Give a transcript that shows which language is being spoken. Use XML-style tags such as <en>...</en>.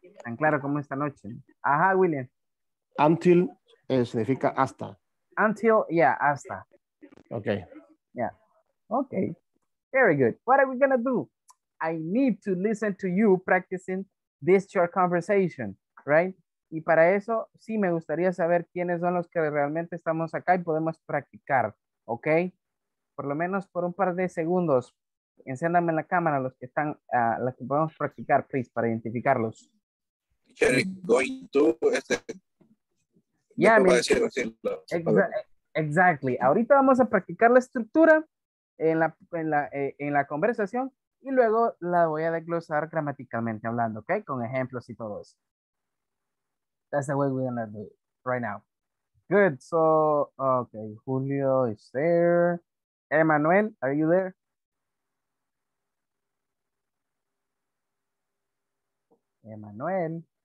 <es>Tan claro como esta noche. Ajá, William. Until significa hasta.</es> <en>Until, yeah, hasta. Okay. Yeah. Okay. Very good. What are we gonna do? I need to listen to you practicing this short conversation, right?</en> <es>Y para eso, sí me gustaría saber quiénes son los que realmente estamos acá y podemos practicar, okay? Por lo menos por un par de segundos, enciéndame la cámara los que están, los que podemos practicar, please, para identificarlos.</es> <en>Going to, yeah, I mean, exactly.</en> <es>Ahorita vamos a practicar la estructura en la conversación y luego la voy a desglosar gramaticalmente hablando, okay? Con ejemplos y todo eso.</es> <en>That's the way we're gonna do it right now. Good, so, okay, Julio is there. Emmanuel, are you there? Emmanuel.</en>